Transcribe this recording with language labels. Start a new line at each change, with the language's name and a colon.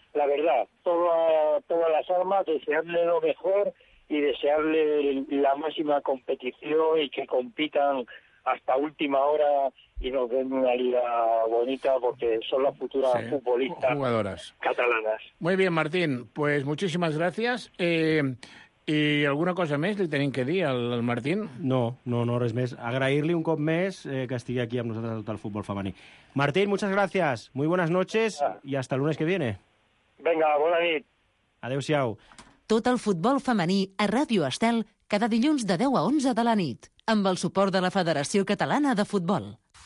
Spanish: La verdad, todas las armas, desearle lo mejor y desearle la máxima competición y que compitan hasta última hora y nos den una liga bonita, porque son las futuras futbolistas jugadoras catalanas. Muy bien, Martín, pues muchísimas gracias.
Catalan: ¿Y alguna cosa més li tenim que dir al Martín? No, res més. Agrair-li un cop més que estigui aquí amb nosaltres a tot el futbol femení.
Spanish: Martín, muchas gracias. Muy buenas noches y hasta el lunes que viene.
Catalan: Venga, bona nit. Adéu-siau. Tot el futbol femení a Ràdio Estel cada dilluns de 10 a 11 de la nit amb el suport de la Federació Catalana de Futbol.